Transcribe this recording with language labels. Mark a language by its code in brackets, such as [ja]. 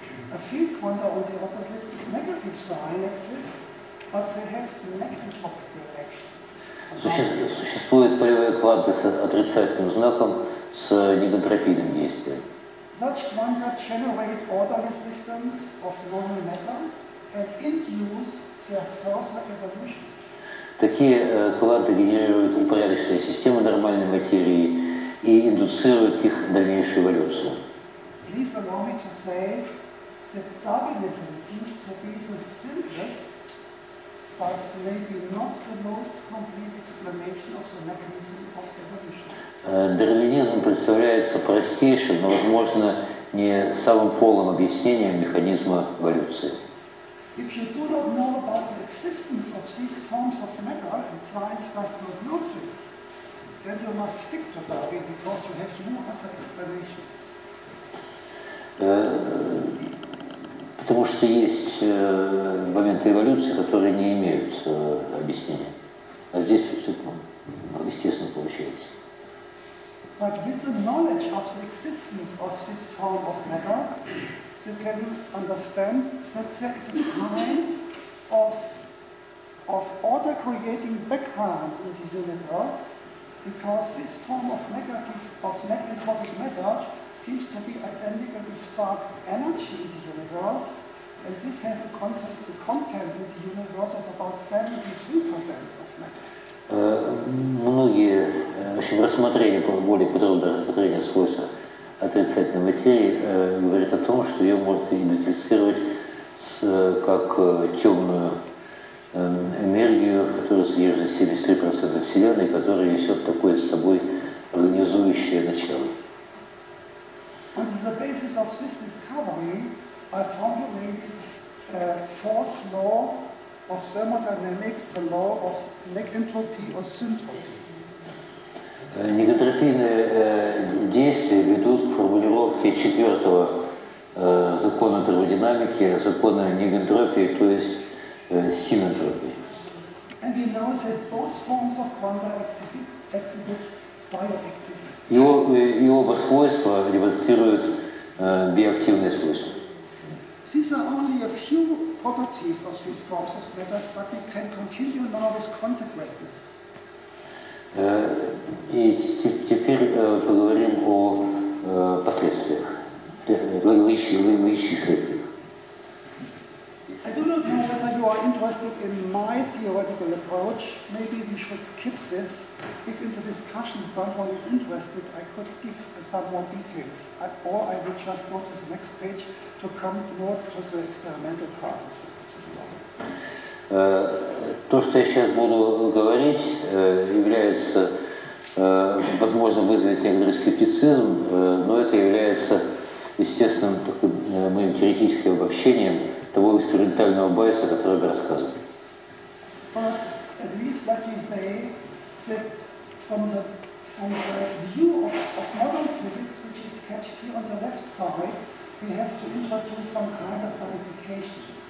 [en] A field quantum on the opposite is negative sign exists, but they have negative actions. [ru] Существуют полевые кванты с отрицательным знаком, с негантропийным действием. [en] Such quanta generate orderly systems of non-matter and induce their further evolution. [ru] Такие кванты генерируют упорядоченные системы нормальной материи и индуцируют их дальнейшую эволюцию. [en] Please allow me to say that Darwinism seems to be the simplest, but maybe not the most complete explanation of the mechanism of evolution. [ru] Дарвинизм представляется простейшим, но, возможно, не самым полным объяснением механизма эволюции. [en] If you do not know about the existence of these forms of matter and science does not know this, then you must stick to Darwin because you have no other explanation. [ru] Потому что есть моменты эволюции, которые не имеют объяснения. А здесь все естественно получается. [en] But with the knowledge of the existence of this form of matter, you can understand that there is a kind of order-creating background in the universe, because this form of negative matter seems to be identical with dark energy in the universe, and this has a content in the universe of about 73% of matter. [ru] Многие, в общем, рассмотрение, более подробное рассмотрение свойства отрицательной материи говорит о том, что ее можно идентифицировать как темную энергию, в которой содержится 73% Вселенной, которая несет такое с собой организующее начало. [en] On the basis of this discovery, I formulated a fourth law of thermodynamics, the law of negentropy or syntropy. [ru] Негантропийные действия ведут к формулировке четвертого закона термодинамики, закона негантропии, то есть синэнтропии. [en] And we know that both forms of quanta exhibit bioactive. [ru] И оба свойства демонстрируют биоактивные свойства. [en] These are only a few properties of these forms of matter, but we can continue now with consequences. [ru] И теперь поговорим о последствиях, логических следствиях. [en] I do not know whether you are interested in my theoretical approach. Maybe we should skip this. If in the discussion someone is interested, I could give some more details. Or I would just go to the next page to come more to the experimental part of the story. [ru] То, что я сейчас буду говорить, является, возможно, вызвать некоторый скептицизм, но это является естественным таким, моим теоретическим обобщением того экспериментального байса, о котором я рассказывал. [en] But at least let me say that from the view of modern physics, which is sketched here on the left side, we have to introduce some kind of modifications.